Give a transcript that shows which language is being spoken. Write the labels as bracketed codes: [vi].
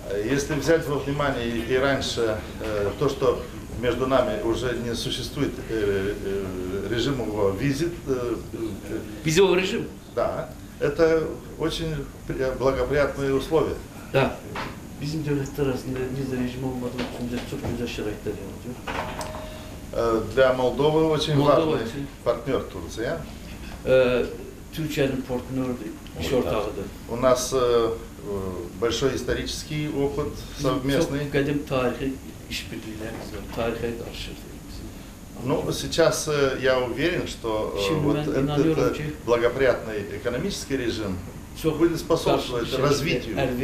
[ru] Если взять во внимание и раньше то, что между нами уже не существует режима визит. Визовый режим? Да. Это очень благоприятные условия. Да. [tr] Bizim devletler arasında vize режим olmadığı için de çok güzel şeyler yapıyor. [ru] Для Молдовы очень важный партнер Турция. [tr] Türkiye'nin partneri, iş ortağıdır. [ru] У нас большой исторический опыт совместный. [tr] Çok kadim tarihi işbirliğimiz var, tarihe karşı. [ru] Ну, сейчас я уверен, что вот этот благоприятный экономический режим будет способствовать развитию.